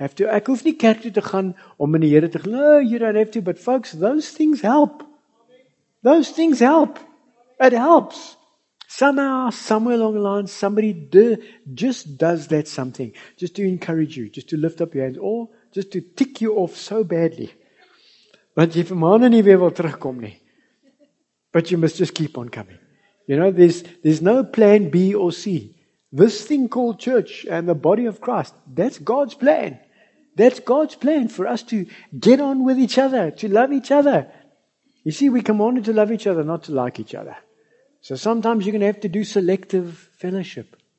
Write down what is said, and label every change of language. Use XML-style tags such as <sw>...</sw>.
<af>Ek hoef nie kerk toe te gaan om in die Here te glo.</af> <en>You don't have to, but folks, those things help. Those things help. It helps. Somehow, somewhere along the line, somebody just does that something. Just to encourage you, just to lift up your hands, or just to tick you off so badly.</en> <af>Want jy vir maanden nie weer wil terugkom nie.</af> <en>But you must just keep on coming. You know, there's no plan B or C. This thing called church and the body of Christ, that's God's plan. That's God's plan for us to get on with each other, to love each other. You see, we commanded to love each other, not to like each other. So sometimes you're going to have to do selective fellowship.</en>